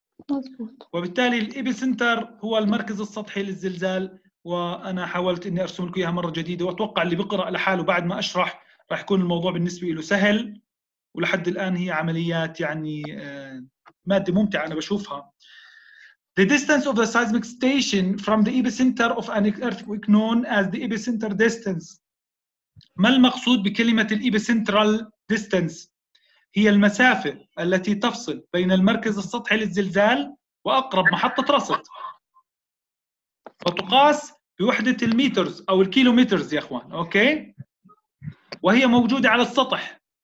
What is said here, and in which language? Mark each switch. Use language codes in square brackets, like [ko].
[ar] مظبوط. وبالتالي الإبيسنتر هو المركز السطحي للزلزال، وانا حاولت اني ارسم لكم اياها مره جديده، واتوقع اللي بيقرا لحاله بعد ما اشرح راح يكون الموضوع بالنسبه له سهل. ولحد الان هي عمليات يعني ماده ممتعه انا بشوفها. [en] The distance of the seismic station from the epicenter of an earthquake known as the epicenter distance. [ar] ما المقصود بكلمة epicentral distance؟ هي المسافة التي تفصل بين المركز السطحي للزلزال وأقرب محطة رصد، وتقاس بوحدة المترز أو الكيلومترز يا أخوان، أوكي؟ وهي موجودة على السطح.